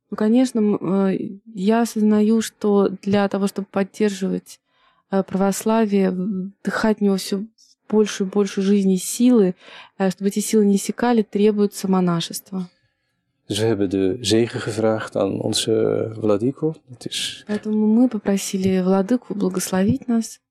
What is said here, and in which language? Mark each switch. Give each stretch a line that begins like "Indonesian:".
Russian: Ну, конечно, я осознаю, что для того, чтобы поддерживать православие, вдыхать в него все больше и больше жизни и силы, чтобы эти силы не иссякали, требуется монашество.
Dutch: Ze hebben de zegen gevraagd aan onze Владыку. Dat is...
Russian: Поэтому мы попросили Владыку благословить нас.